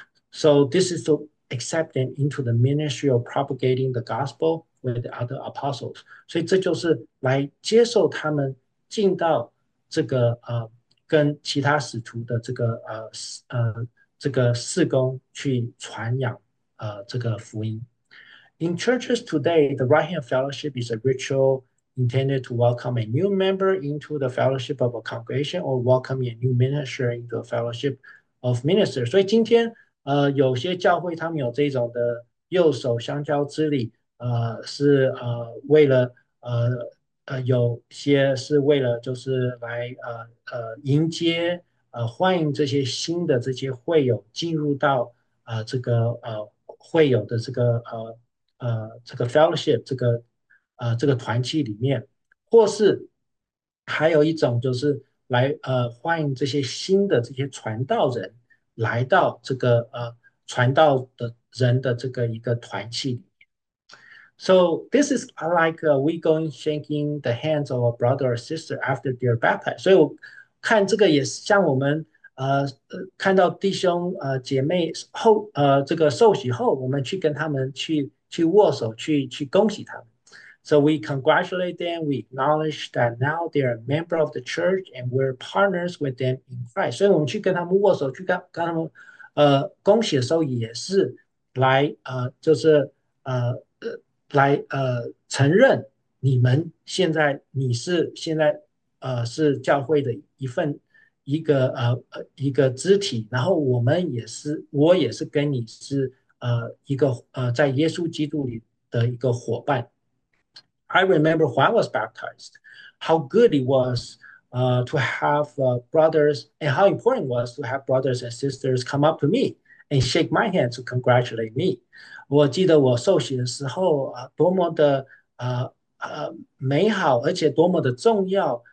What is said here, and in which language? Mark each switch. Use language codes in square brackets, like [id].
[en] So this is to accept them into the ministry of propagating the gospel with the other apostles。 [zh] 所以这就是来接受他们进到这个跟其他使徒的这个这个事工去传扬，这个福音。 [en] In churches today, the right hand fellowship is a ritual intended to welcome a new member into the fellowship of a congregation or welcome a new minister into the fellowship of ministers. [zh] 所以今天，有些教会他们有这种的右手相交之礼，是为了有些是为了就是来迎接。欢迎这些新的这些会友进入到这个会友的这个这个 fellowship 这个团契里面，或是还有一种就是来欢迎这些新的这些传道人来到这个传道的人的这个一个团契里。 [en] So this is like we going shaking the hands of a brother or sister after they're baptized. [zh] 所以我看这个也是像我们看到弟兄姐妹后这个受洗后，我们去跟他们去握手，去恭喜他们。 [en] So we congratulate them, we acknowledge that now they are a member of the church and we're partners with them in Christ。 [zh] 所以，我们去跟他们握手，去跟他们恭喜的时候，也是来就是来承认你们现在你是现在。是教会的一份，一个肢体。然后我也是跟你是一个在耶稣基督里的一个伙伴。 [en] I remember when I was baptized, how good it was to have brothers and how important it was to have brothers and sisters come up to me and shake my hand to congratulate me。 [zh] 我记得我受洗的时候多么的美好，而且多么的重要。